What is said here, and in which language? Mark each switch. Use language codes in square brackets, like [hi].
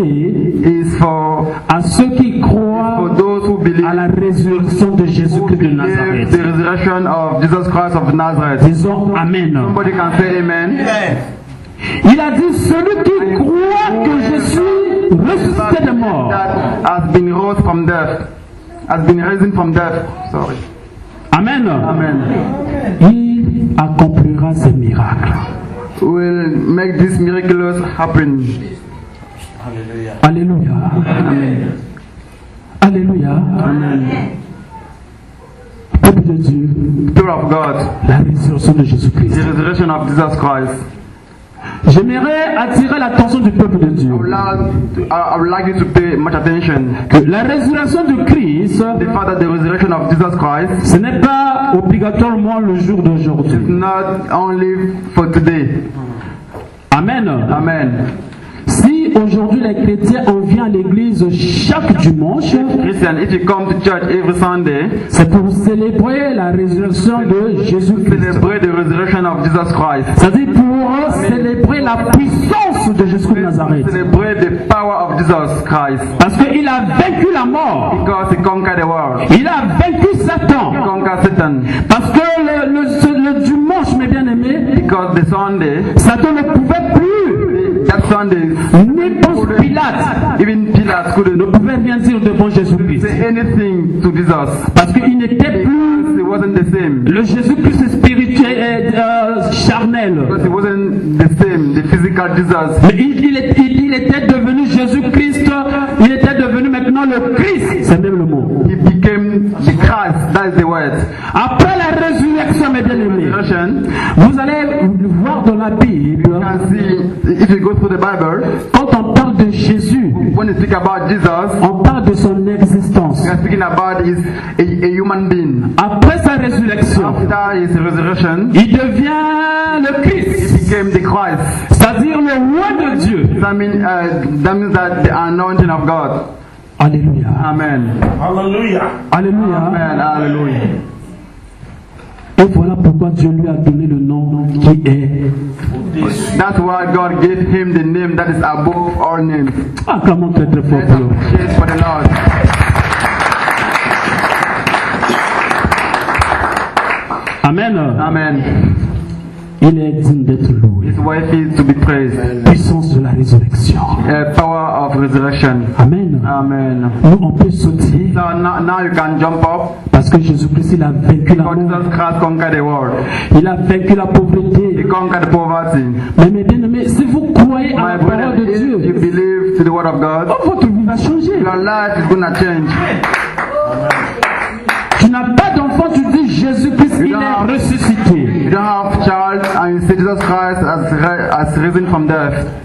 [en] is for [fr] à ceux qui croient, [en] for those who believe, [fr] à la résurrection de Jésus-Christ de Nazareth. [en] The resurrection of Jesus Christ of Nazareth. [fr] Disons amen. [en] Somebody can say amen. Yes. [fr] Il a dit celui qui croit que je suis ressuscité de mort [en] has been rose from death, has been risen from death. Sorry. Amen. Amen. [fr] Il accomplira ces miracles. [en] Will make this miraculous happen. Alléluia. Amen. Alléluia. Amen. [fr] Peuple de Dieu. [en] People of God. [fr] La résurrection de Jésus Christ. [en] The resurrection of Jesus Christ. [fr] J'aimerais attirer l'attention du peuple de Dieu. [en] I would like you to pay much attention. [fr] Que la résurrection de Christ, [en] the fact that the resurrection of Jesus Christ, [fr] ce n'est pas obligatoirement le jour d'aujourd'hui. [en] It's not only for today. Amen. Amen. [fr] Si aujourd'hui les chrétiens en viennent à l'église chaque dimanche, [en] Christian, if you come to church every Sunday, [fr] c'est pour célébrer la résurrection de Jésus Christ. [en] Célébrer the resurrection of Jesus Christ. [fr] C'est-à-dire pour célébrer la puissance de Jésus de Nazareth. [en] Célébrer the power of Jesus Christ. [fr] Parce qu'il a vaincu la mort. [en] Because he conquered the world. [fr] Il a vaincu Satan. [en] He conquered Satan. [fr] Parce que le dimanche, mes bien-aimés, [en] because the Sunday, [fr] Satan ne pouvait plus. [en] That Sunday, [fr] Pilate [en] couldn't, [fr] ne pouvait rien dire devant Jésus Christ. [en] Say anything to Jesus. [fr] Parce qu'il n'était plus, [en] it wasn't the same. [fr] Le Jésus Christ spirituel et charnel. [en] Because it wasn't the same, the physical Jesus. [fr] Mais il était devenu Jésus Christ. Il était devenu maintenant le Christ. C'est même le mot. [en] He became the Christ. That is the word. [fr] Après la résurrection, mes bien-aimés, vous allez voir dans la Bible. [en] You can see, if you go through the Bible, [fr] quand on parle de Jésus, [en] when you speak about Jesus, [fr] on parle de son existence. [en] You are speaking about his a human being. [fr] Après sa résurrection, [en] after his resurrection, [fr] il devient le Christ. [en] He became the Christ. [fr] C'est-à-dire le le roi de Dieu. [en] That means that the anointing of God. Alléluia. Amen. Alléluia. Alléluia. Amen. Alléluia. [fr] Et voilà pourquoi Dieu lui a donné le nom qui est. [en] That's why God gave him the name that is above all names. [fr] Acclamons très fort pour lui. [en] Yes, for the Lord. Amen. Amen. [fr] Il est digne d'être loué. [en] His wife is to be praised. [fr] Puissance de la résurrection. [en] Power of resurrection. Amen. Amen. [fr] Nous on peut sauter. [en] So now you can jump up. [fr] Parce que Jésus-Christ il a vaincu la mort. [en] Jesus Christ conquered the world. [fr] Il a vaincu la pauvreté. [en] He conquered poverty. [fr] Mais mes bien-aimés, si vous croyez à la parole de Dieu, [en] if you believe to the word of God, [fr] votre vie va changer. [en] Your life is gonna change. [fr] Tu n'as pas d'enfant, tu dis Jésus-Christ, il est ressuscité. [en] You don't have child and you say Jesus Christ has risen from death.